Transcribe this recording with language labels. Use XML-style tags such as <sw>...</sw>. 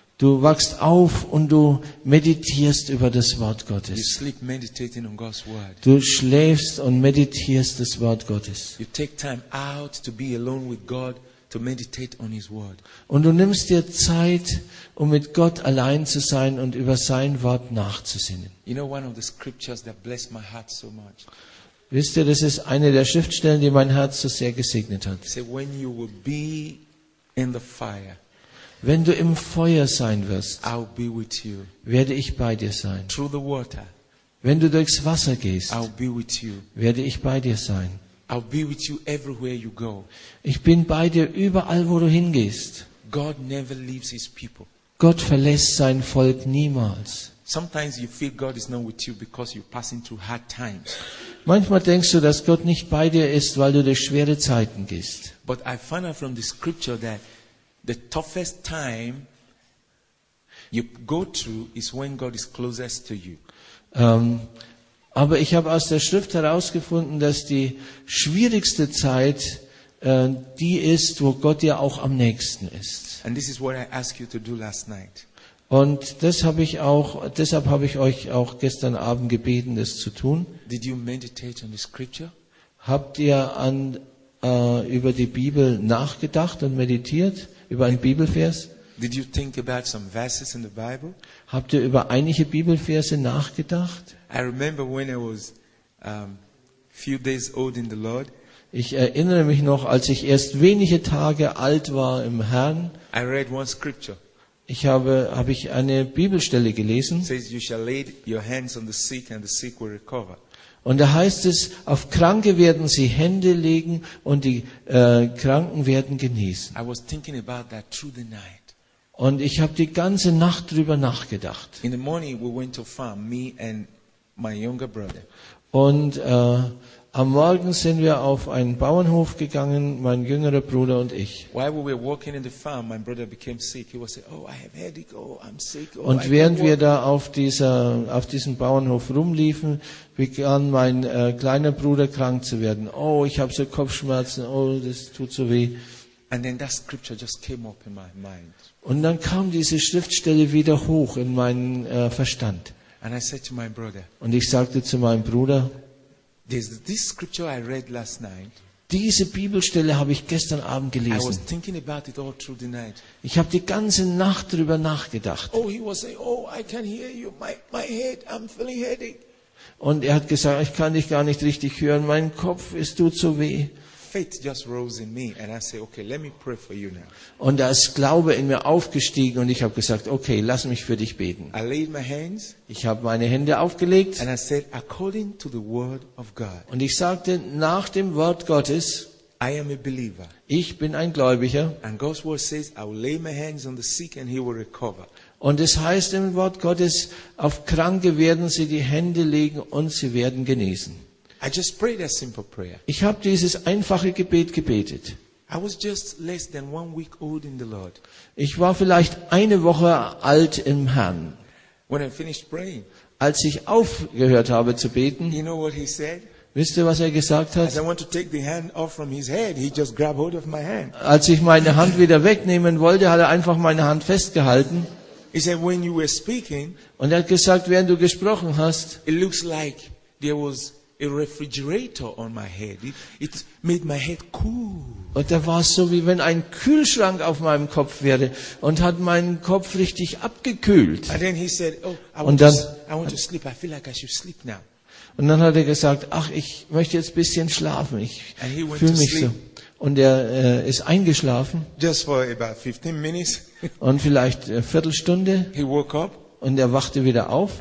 <de>Du wachst auf und du meditierst über das Wort Gottes.</de> <en>You sleep meditating on God's word.</en> <de>Du schläfst und meditierst das Wort Gottes.</de> <en>You take time out to be alone with God. To meditate on his word.</en> <de>Und du nimmst dir Zeit, um mit Gott allein zu sein und über sein Wort nachzusinnen.</de> <en>You know, one of the scriptures that blessed my heart so much.</en> <de>Wisst ihr, das ist eine der Schriftstellen, die mein Herz so sehr gesegnet hat.</de> <en>Say, when you will be in the fire,</en> <de>wenn du im Feuer sein wirst,</de> <en>I'll be with you.</en> <de>Werde ich bei dir sein.</de> <en>Through the water,</en> <de>wenn du durchs Wasser gehst,</de> <en>I'll be with you.</en> <de>Werde ich bei dir sein.</de> <en>I'll be with you everywhere you go.</en> <de>Ich bin bei dir überall, wo du hingehst.</de> <en>God never leaves his people.</en> <de>Gott verlässt sein Volk niemals.</de> <en>Sometimes you feel God is not with you because you're passing through hard times.</en> <de>Manchmal denkst du, dass Gott nicht bei dir ist, weil du durch schwere Zeiten gehst.</de> <en>But I find out from the scripture that the toughest time you go through is when God is closest to you.</en> <de>Aber ich habe aus der Schrift herausgefunden, dass die schwierigste Zeit die ist, wo Gott dir auch am nächsten ist.</de> <en>And this is what I asked you to do last night.</en> <de>Und das habe ich auch, deshalb habe ich euch auch gestern Abend gebeten, das zu tun.</de> <en>Did you meditate on the scripture?</en> <de>Habt ihr über die Bibel nachgedacht und meditiert, über einen Bibelvers?</de> <en>Did you think about some verses in the Bible?</en> <de>Habt ihr über einige Bibelverse nachgedacht?</de> <en>I remember when I was few days old in the Lord.</en> <de>Ich erinnere mich noch, als ich erst wenige Tage alt war im Herrn.</de> <en>I read one scripture.</en> <de>Habe ich eine Bibelstelle gelesen.</de> <en>It says you shall lay your hands on the sick and the sick will recover.</en> <de>Und da heißt es, auf Kranke werden sie Hände legen und die Kranken werden genesen.</de> <en>I was thinking about that through the night.</en> <de>Und ich habe die ganze Nacht drüber nachgedacht.</de> <en>In the morning we went to farm, me and my younger brother.</en> <de>Und am Morgen sind wir auf einen Bauernhof gegangen, mein jüngerer Bruder und ich.</de> <en>While we were walking in the farm, my brother became sick. He was saying, "Oh, I have headache. Oh, I'm sick." Oh,</en> <de>und während wir da auf diesem Bauernhof rumliefen, begann mein kleiner Bruder krank zu werden. Oh, ich habe so Kopfschmerzen. Oh, das tut so weh.</de> <en>And then that scripture just came up in my mind.</en> <de>Und dann kam diese Schriftstelle wieder hoch in meinen Verstand.</de> <en>And I said to my brother,</en> <de>und ich sagte zu meinem Bruder,</de> <en>this scripture I read last night,</en> <de>diese Bibelstelle habe ich gestern Abend gelesen.</de> <en>I was thinking about it all through the night.</en> <de>Ich habe die ganze Nacht darüber nachgedacht.</de> <en>Oh, he was saying, oh, I can hear you, my head, I'm feeling headache.</en> <de>Und er hat gesagt, ich kann dich gar nicht richtig hören, mein Kopf, es tut so weh.</de> <en>Faith just rose in me, and I say, "Okay, let me pray for you now."</en> <de>Und da ist Glaube in mir aufgestiegen, und ich habe gesagt, "Okay, lass mich für dich beten."</de> <en>I laid my hands.</en> <de>Ich habe meine Hände aufgelegt.</de> <en>And I said, "According to the word of God."</en> <de>Und ich sagte, nach dem Wort Gottes.</de> <en>I am a believer.</en> <de>Ich bin ein Gläubiger.</de> <en>And God's word says, "I will lay my hands on the sick, and he will recover."</en> <de>Und es heißt im Wort Gottes, auf Kranke werden sie die Hände legen, und sie werden genesen.</de> <en>I just prayed a simple prayer.</en> <de>Ich habe dieses einfache Gebet gebetet.</de> <en>I was just less than 1 week old in the Lord.</en> <de>Ich war vielleicht eine Woche alt im Herrn.</de> <en>When I finished praying,</en> <de>als ich aufgehört habe zu beten,</de> <en>you know what he said?</en> <de>Wisst ihr, was er gesagt hat?</de> <en>As I want to take the hand off from his head, he just grabbed hold of my hand.</en> <de>Als ich meine Hand wieder wegnehmen wollte, hat er einfach meine Hand festgehalten.</de> <en>He said, when you were speaking,</en> <de>und er hat gesagt, während du gesprochen hast,</de> <en>it looks like there was a refrigerator on my head. It made my head cool.</en> <de>Und da war es so, wie wenn ein Kühlschrank auf meinem Kopf wäre und hat meinen Kopf richtig abgekühlt.</de> <en>And then he said, "Oh, I want to sleep. I feel like I should sleep now."</en> <de>Und dann hat er gesagt, ach, ich möchte jetzt ein bisschen schlafen. Ich fühle mich so. Und er ist eingeschlafen.</de> <en>Just for about 15 minutes.</en> <de>Und vielleicht eine Viertelstunde.</de> <en>He woke up.</en> <de>Und er wachte wieder auf.</de>